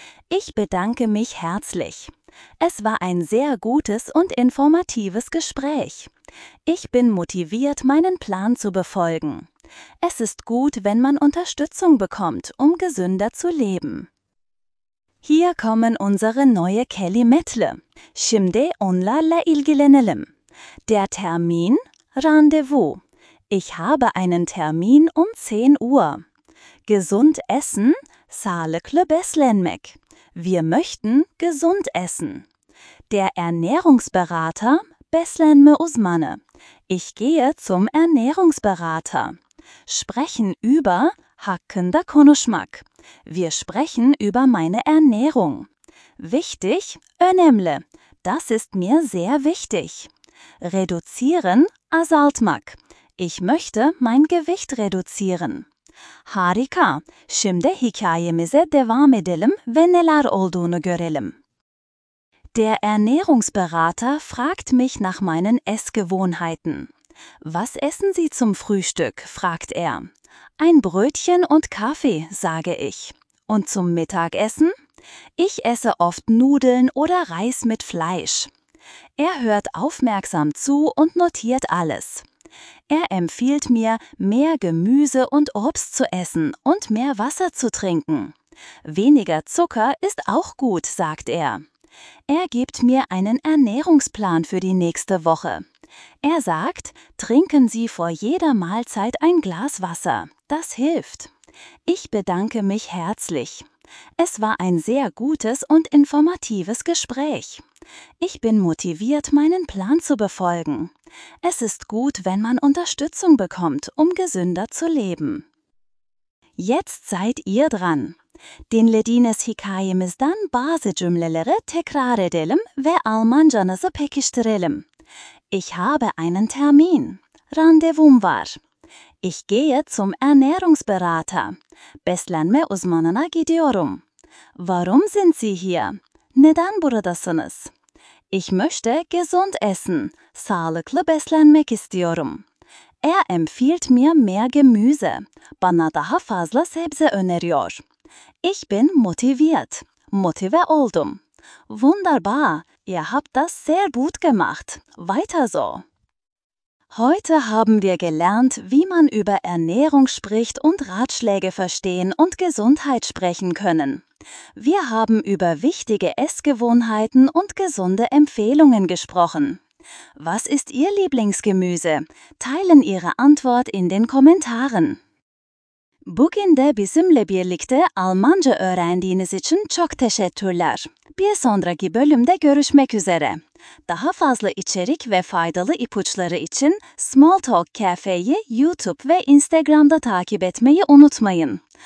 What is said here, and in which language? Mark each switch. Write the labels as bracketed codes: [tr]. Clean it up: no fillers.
[de] Ich bedanke mich herzlich. Es war ein sehr gutes und informatives Gespräch. Ich bin motiviert, meinen Plan zu befolgen. Es ist gut, wenn man Unterstützung bekommt, um gesünder zu leben. Hier kommen unsere neue Kelimetle. [tr] Şimdi onlarla ilgilenelim. [de] Der Termin, Rendezvous. Ich habe einen Termin um 10 Uhr. Gesund essen, [tr] sağlıklı beslenmek. [de] Wir möchten gesund essen. Der Ernährungsberater, [tr] beslenme uzmanı. [de] Ich gehe zum Ernährungsberater. Sprechen über, [tr] hakkında konuşmak. [de] Wir sprechen über meine Ernährung. Wichtig, önemli. Das ist mir sehr wichtig. Reduzieren, azaltmak. Ich möchte mein Gewicht reduzieren. [tr] Harika. Şimdi hikayemize devam edelim ve neler olduğunu görelim. [de] Der Ernährungsberater fragt mich nach meinen Essgewohnheiten. Was essen Sie zum Frühstück? Fragt er. Ein Brötchen und Kaffee, sage ich. Und zum Mittagessen? Ich esse oft Nudeln oder Reis mit Fleisch. Er hört aufmerksam zu und notiert alles. Er empfiehlt mir, mehr Gemüse und Obst zu essen und mehr Wasser zu trinken. Weniger Zucker ist auch gut, sagt er. Er gibt mir einen Ernährungsplan für die nächste Woche. Er sagt, trinken Sie vor jeder Mahlzeit ein Glas Wasser. Das hilft. Ich bedanke mich herzlich. Es war ein sehr gutes und informatives Gespräch. Ich bin motiviert, meinen Plan zu befolgen. Es ist gut, wenn man Unterstützung bekommt, um gesünder zu leben. Jetzt seid ihr dran. [tr] Dinlediğiniz hikayemizden bazı cümleleri tekrar edelim ve Almancanızı pekiştirelim. [de] Ich habe einen Termin. [tr] Randevum var. [de] Ich gehe zum Ernährungsberater. [tr] Beslenme uzmanına gidiyorum. [de] Warum sind Sie hier? [tr] Neden buradasınız? [de] Ich möchte gesund essen. [tr] Sağlıklı beslenmek istiyorum. [de] Er empfiehlt mir mehr Gemüse. [tr] Bana daha fazla sebze öneriyor. [de] Ich bin motiviert. [tr] Motive oldum. [de] Wunderbar. Ihr habt das sehr gut gemacht. Weiter so. Heute haben wir gelernt, wie man über Ernährung spricht und Ratschläge verstehen und Gesundheit sprechen können. Wir haben über wichtige Essgewohnheiten und gesunde Empfehlungen gesprochen. Was ist Ihr Lieblingsgemüse? Teilen Ihre Antwort in den Kommentaren. [tr] Bugünde bizimle birlikte Almanca öğrendiğiniz için çok teşekkürler. Bir sonraki bölümde görüşmek üzere. Daha fazla içerik ve faydalı ipuçları için Small Talk Cafe'yi YouTube ve Instagram'da takip etmeyi unutmayın.